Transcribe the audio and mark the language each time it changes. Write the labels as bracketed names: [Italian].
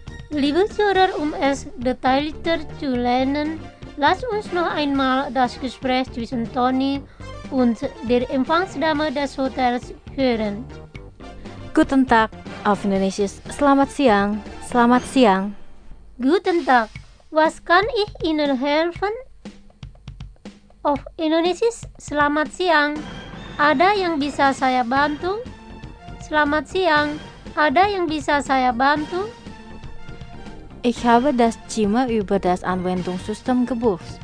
[German] Liebe Zuhörer, es detaillierter zu lernen, lass uns noch einmal das Gespräch zwischen Toni und der Empfangsdame des Hotels hören. Guten Tag, auf Indonesisch. [Indonesian] Selamat siang. [German] Guten Tag, was kann ich Ihnen helfen? Auf Indonesisch, [Indonesian] selamat siang. Ada yang bisa saya bantu? Selamat siang, ada yang bisa saya bantu? [German] Ich habe das Thema über das Anwendungssystem gebucht.